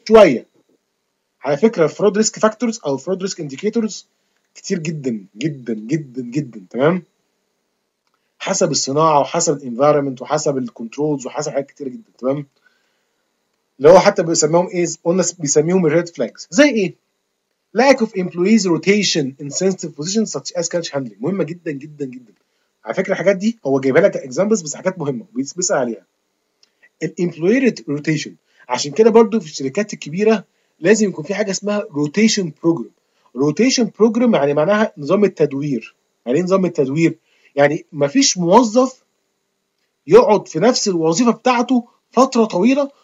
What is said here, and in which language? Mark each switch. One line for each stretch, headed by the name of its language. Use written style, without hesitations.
Arabic: شويه على فكره فرود ريسك فاكتورز او فرود ريسك انديكيتورز كتير جدا جدا جدا جدا، تمام؟ حسب الصناعة وحسب الانفايرمنت وحسب الكنترولز وحسب حاجات كتير جدا، تمام؟ اللي هو حتى بيسميهم ايه؟ قلنا بيسميهم الريد فلاجز. زي ايه؟
English: lack of employees rotation in sensitive positions such as cash handling.
Arabic: مهمة جدا جدا جدا. على فكرة الحاجات دي هو جايبها لك اكزامبلز بس حاجات مهمة بيسأل عليها. الامبلوي روتيشن، عشان كده برضو في الشركات الكبيرة لازم يكون في حاجة اسمها روتيشن بروجرام. روتيشن بروجرام يعني معناها نظام التدوير. يعني ايه نظام التدوير؟ يعني مفيش موظف يقعد في نفس الوظيفه بتاعته فتره طويله